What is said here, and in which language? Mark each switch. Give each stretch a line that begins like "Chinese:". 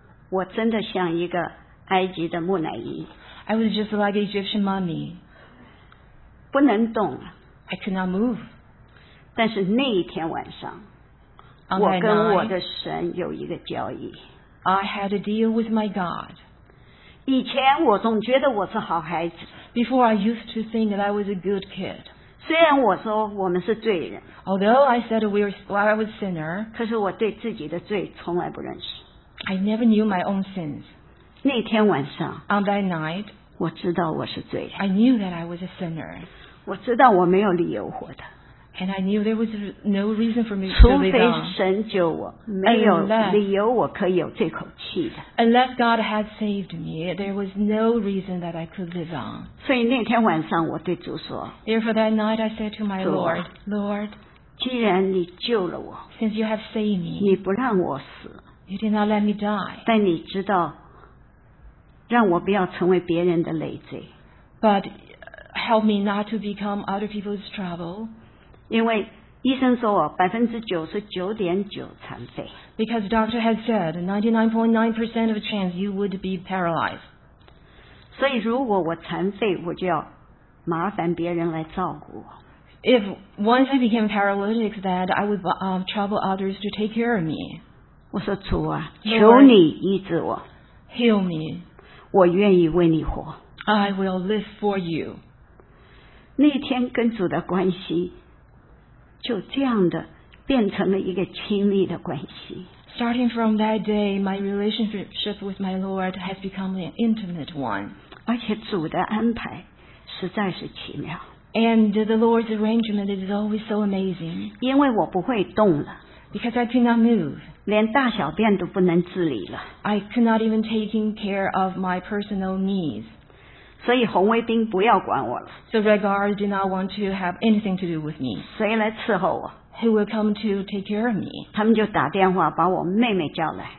Chinese: 我真的像一个埃及的木乃伊。
English: I was just like an Egyptian mummy.
Chinese: 不能动。
English: I could not move.
Chinese: 但是那一天晚上
English: On
Chinese: 我跟我的神有一个交易。
English: I had a deal with my God.
Chinese: 以前我总觉得我是好孩子。
English: Before I used to think that I was a good kid.
Chinese: 虽然我说我们是罪人。
English: Although I said I was a sinner.
Chinese: 可是我对自己的罪从来不认识。
English: I never knew my own sins.
Chinese: 那天晚上
English: On that night,
Chinese: 我知道我是罪人。
English: I knew that I was a sinner.
Chinese: 我知道我没有理由活的。
English: And I knew there was no reason for me to live on.
Chinese: 除非神救我，没有理由我可以有这口气的。
English: Unless God had saved me, there was no reason that I could live on.
Chinese: 所以那天晚上我对主说
English: Therefore that night I said to my Lord,
Chinese: 既然你救了我，
English: since you have saved me，
Chinese: 你不让我死，
English: you did not let me die，
Chinese: 但你知道让我不要成为别人的累赘，
English: but help me not to become other people's trouble，
Chinese: 因为医生说我 99.9% 残废，
English: because doctor has said 99.9% of a chance you would be paralyzed，
Chinese: 所以如果我残废，我就要麻烦别人来照顾我。
English: If once I became paralytic, that I would trouble others to take care of me.
Chinese: 我说主啊，求你医治我。
English: Heal me.
Chinese: 我愿意为你活。
English: I will live for you.
Chinese: 那天跟主的关系就这样的变成了一个亲密的关系。
English: Starting from that day, my relationship with my Lord has become an intimate one.
Chinese: 而且主的安排实在是奇妙。
English: And the Lord's arrangement is always so amazing.
Chinese: 因为我不会动了。
English: Because I cannot move.
Chinese: 连大小便都不能自理了。
English: I could not even take care of my personal needs.
Chinese: 所以红卫兵不要管我了。
English: So Red Guard did not want to have anything to do with me.
Chinese: 谁来伺候我？
English: Who will come to take care of me?
Chinese: 他们就打电话把我妹妹叫来。